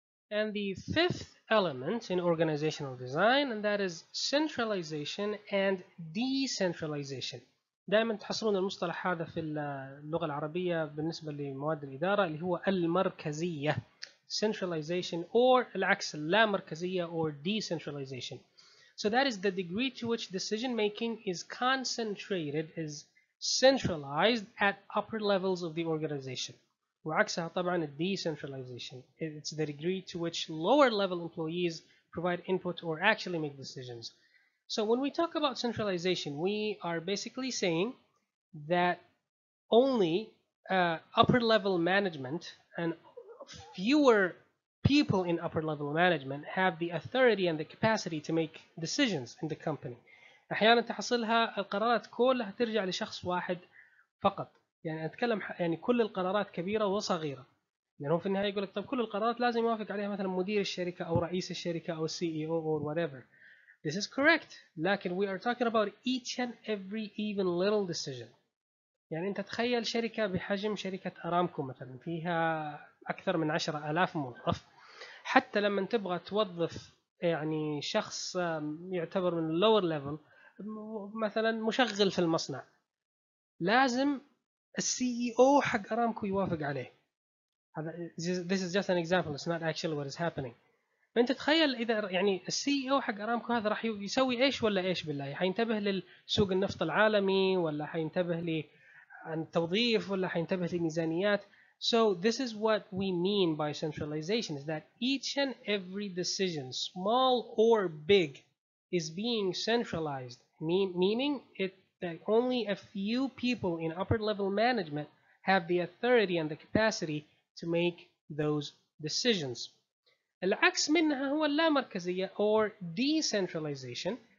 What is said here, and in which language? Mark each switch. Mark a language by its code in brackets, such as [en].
[en] And the fifth element in organizational design, and that is centralization and decentralization. [ar] دائما تحصلون المصطلح هذا في اللغة العربية بالنسبة لمواد الإدارة اللي هو المركزية, centralization, or العكس, اللامركزية or decentralization. [en] So that is the degree to which decision making is concentrated, is centralized at upper levels of the organization. [ar] وعكسها طبعا [en] decentralization, it's the degree to which lower level employees provide input or actually make decisions. So when we talk about centralization, we are basically saying that only upper level management and fewer people in upper level management have the authority and the capacity to make decisions in the company. [ar] أحيانا تحصلها القرارات كلها ترجع لشخص واحد فقط. يعني أتكلم يعني كل القرارات كبيرة وصغيرة. يعني هو في النهاية يقولك طب كل القرارات لازم يوافق عليها مثلا مدير الشركة أو رئيس الشركة أو CEO [en] or whatever. This is correct. [ar] لكن [en] we are talking about each and every even little decision. [ar] يعني أنت تخيل شركة بحجم شركة أرامكو مثلا فيها أكثر من 10,000 موظف. حتى لما تبغى توظف يعني شخص يعتبر من lower level مثلا مشغل في المصنع, لازم CEO حق أرامكو يوافق عليه. [en] This is just an example. It's not actually what is happening. [ar] أنت تخيل إذا يعني CEO حق أرامكو هذا راح يسوي إيش ولا إيش بالله؟ حينتبه للسوق النفط العالمي ولا حينتبه للتوظيف ولا حينتبه للميزانيات؟ [en] So this is what we mean by centralization, is that each and every decision, small or big, is being centralized, meaning that only a few people in upper level management have the authority and the capacity to make those decisions. [ar] العكس منها هو اللامركزية or decentralization.